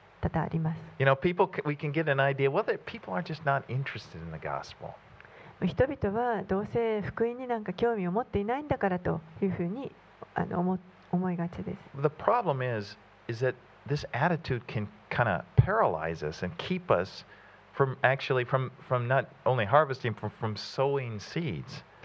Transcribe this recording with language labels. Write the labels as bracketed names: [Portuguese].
[Japanese] 多々あります。 [English] You know, we can get an idea whether people are just not interested in the gospel. [Japanese] 人々はどうせ福音になんか興味を持っていないんだからというふうに思いがちです。 [English] The problem is that this attitude can kind of paralyze us and keep us from actually from not only harvesting, from sowing seeds.